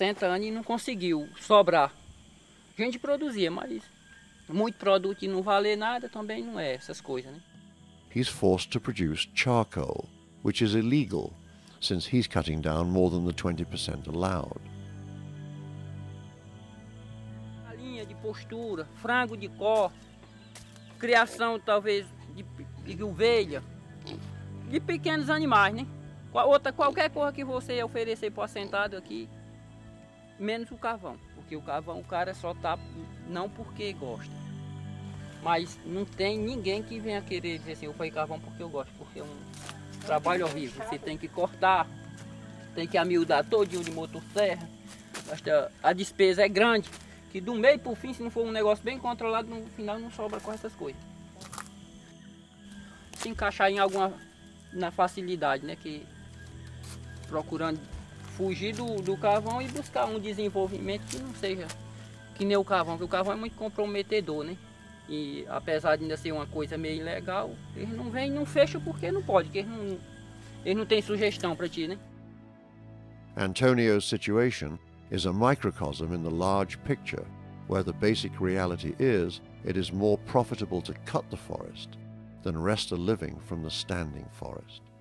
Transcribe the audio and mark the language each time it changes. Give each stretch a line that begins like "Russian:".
Portuguese: A gente produzia, mas muito produto e não valer nada também não é essas coisas, né?
English: He's forced to produce charcoal, which is illegal, since he's cutting down more than the 20% allowed.
Portuguese: Galinha de postura, frango de cor, criação talvez de ovelha, de pequenos animais, né? Outra, qualquer coisa que você oferecer para o assentado aqui, menos o carvão. Porque o carvão o cara só tá não porque gosta. Mas não tem ninguém que venha querer dizer assim, eu fui carvão porque eu gosto, porque é um trabalho horrível. Você tem que cortar, tem que amiudar todinho de motosserra. A despesa é grande, que do meio pro fim, se não for um negócio bem controlado, no final não sobra com essas coisas. Se encaixar em alguma na facilidade, né? Que procurando. Fugir do carvão e buscar um desenvolvimento que não seja que nem o carvão, porque o carvão é muito comprometedor, né? E apesar de ainda ser uma coisa meio ilegal, eles não vêm e não fecham porque não pode, porque eles não têm sugestão para ti, né?
English: Antonio's situation is a microcosm in the large picture, where the basic reality is it is more profitable to cut the forest than wrest a living from the standing forest.